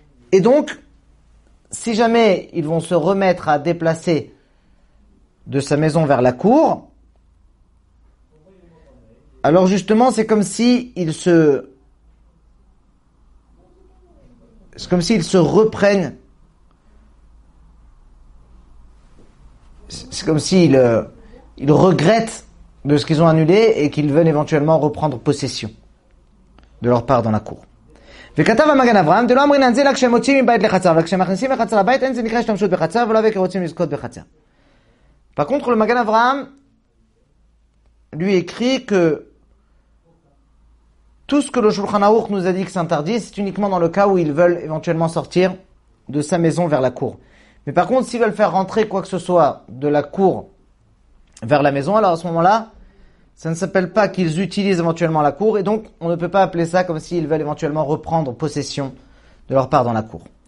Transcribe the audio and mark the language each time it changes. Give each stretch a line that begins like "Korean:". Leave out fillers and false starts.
French: Et donc, si jamais ils vont se remettre à déplacer de sa maison vers la cour, alors justement, c'est comme s'ils regrettent de ce qu'ils ont annulé et qu'ils veulent éventuellement reprendre possession de leur part dans la cour.
Hebrew: וכתב המגן אברהם, דלא אמרין אנזל כשהם מוציאים מבית לחצר, וכשהם מכניסים לחצר הבית, אין זה נקרא שתמשות בחצר, ולא וכרוצים לזכות בחצר.
French: Par contre, le Magan Avraham lui écrit que tout ce que le Shulchan Aruch nous a dit que c'est interdit, c'est uniquement dans le cas où ils veulent éventuellement sortir de sa maison vers la cour. Mais par contre, s'ils veulent faire rentrer quoi que ce soit de la cour vers la maison, alors à ce moment-là, ça ne s'appelle pas qu'ils utilisent éventuellement la cour, et donc on ne peut pas appeler ça comme s'ils veulent éventuellement reprendre possession de leur part dans la cour.